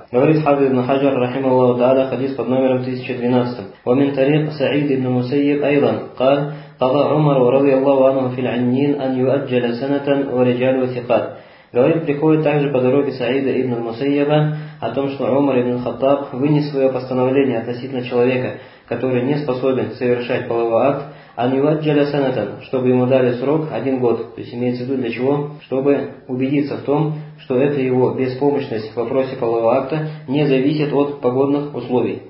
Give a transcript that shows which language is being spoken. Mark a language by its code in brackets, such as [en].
[ru] Говорит Хабиб ибн Хаджар, рахималлаху та'ала, хадис под номером 1012. [ar] Ва мин тариқ Саид ибн Мусайб айдан, قال, قضى عمر رضي الله عنه في العنين أن يؤجل سنة ورجال وثقات. [ru] Говорит, приходит также по дороге Саида ибн Мусайба о том, что Умар ибн Хаттаб вынес свое постановление относительно человека, который не способен совершать половой акт, [ar] «Анивадджаля санатан», [ru] чтобы ему дали срок один год. То есть имеется в виду для чего? Чтобы убедиться в том, что эта его беспомощность в вопросе полового акта не зависит от погодных условий.